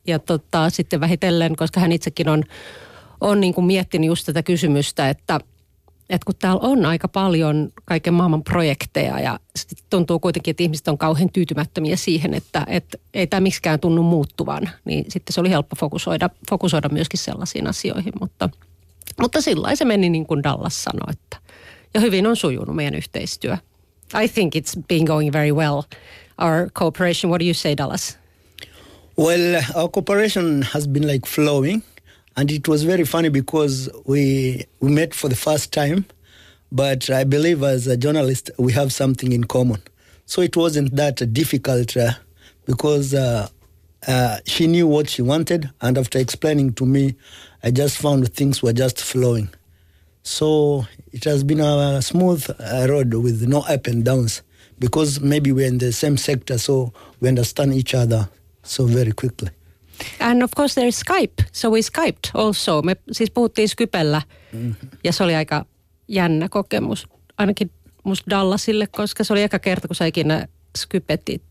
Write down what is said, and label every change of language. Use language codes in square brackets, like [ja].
[fi] Ja sitten vähitellen, koska hän itsekin on niin kuin miettinyt just tätä kysymystä, että kun täällä on aika paljon kaiken maailman projekteja ja tuntuu kuitenkin, että ihmiset on kauhean tyytymättömiä siihen, että ei tämä miksikään tunnu muuttuvan, niin sitten se oli helppo fokusoida myöskin sellaisiin asioihin. Mutta sillai se meni niin kuin Dallas sanoi, että ja hyvin on sujunut meidän yhteistyö. [en] I think it's been going very well. our cooperation. What do you say, Dallas? Well, our cooperation has been like flowing, and it was very funny because we met for the first time, but I believe as a journalist, we have something in common. So it wasn't that difficult because she knew what she wanted, and after explaining to me, I just found things were just flowing. So it has been a smooth road with no up and downs because maybe we're in the same sector, so we understand each other so very quickly. And of course there's Skype, so we Skyped also. [fi] Me siis puhuttiin Skypellä ja se oli aika jännä kokemus, ainakin musta Dallasille, koska se oli eka kerta, kun sä ikinä Skypet it.